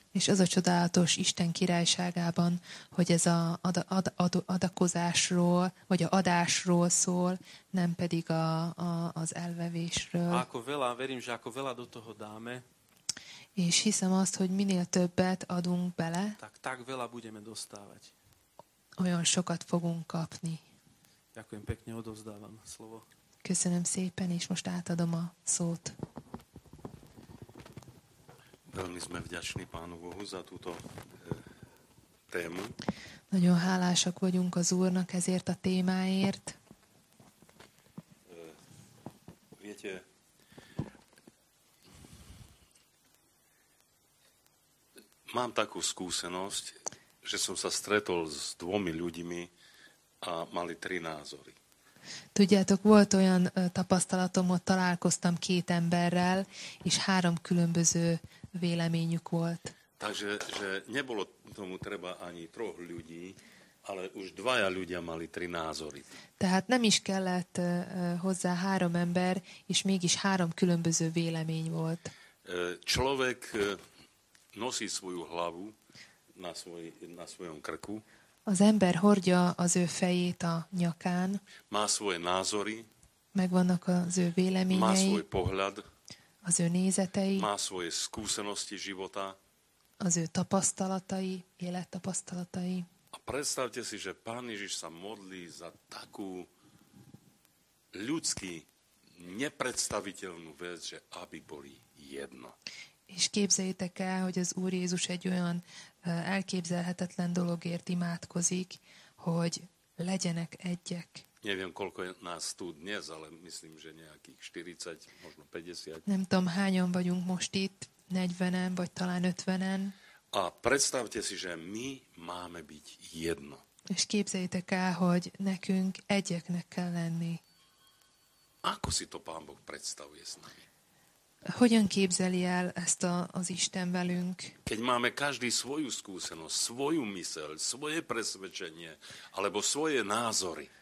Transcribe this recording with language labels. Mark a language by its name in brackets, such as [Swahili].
[Hungarian] És az a csodálatos Isten királyságában, hogy ez adakozásról, vagy a adásról szól, nem pedig az elvevésről. [Slovak] Ako veľa, verím, že ako veľa do toho dáme. [Hungarian] És hiszem azt, hogy minél többet adunk bele, [Slovak] tak veľa budeme dostávať. [Hungarian] Olyan sokat fogunk kapni. [Slovak] Ďakujem pekne, odovzdávam slovo. [Hungarian] Köszönöm szépen, és most átadom a szót. [Slovak] Veľmi sme vďační Pánu Bohu za túto tému. [Hungarian] Nagyon hálásak vagyunk az Úrnak ezért a témáért. [Slovak] Viete, mám takú skúsenosť, že som sa stretol s dvomi ľuďmi, a mali tri názory. [Hungarian] Tudjátok, volt olyan tapasztalatom, hogy találkoztam két emberrel, és három különböző véleményük volt. [Slovak] Takže, že nebolo tomu treba ani troch ľudí, ale už dvaja ľudia mali tri názory. [Hungarian] Tehát nem is kellett hozzá három ember, és mégis három különböző vélemény volt. [Slovak] Človek nosí svoju hlavu na svojom krku. [Hungarian] Az ember hordja az ő fejét a nyakán. [Slovak] Má svoje názory. [Hungarian] Megvannak az ő véleményei. [Slovak] Má svoj pohľad. [Hungarian] Az ő nézetei. [Slovak] Má svoje skúsenosti života. [Hungarian] Az ő tapasztalatai, élettapasztalatai. [Slovak] A predstavte si, že Pán Ježiš sa modlí za takú ľudský nepredstaviteľnú vec, že aby boli jedno. [Hungarian] És képzeljétek el, hogy az Úr Jézus egy olyan elképzelhetetlen dologért imádkozik, hogy legyenek egyek. [Slovak] Neviem, koľko nás tu dnes, ale myslím, že nejakých 40, možno 50. [Hungarian] Nem tudom, hányan vagyunk most itt, 40-en, vagy talán 50-en. [Slovak] A predstavte si, že my máme byť jedno. [Hungarian] És képzeljétek el, hogy nekünk egyeknek kell lenni. [Slovak] Ako si to Pán Boh predstavuje s nami? [Hungarian] Hogyan képzeli el ezt az Isten velünk? [Slovak] Keď máme každý svoju skúsenosť, svoju myseľ, svoje presvedčenie, alebo svoje názory.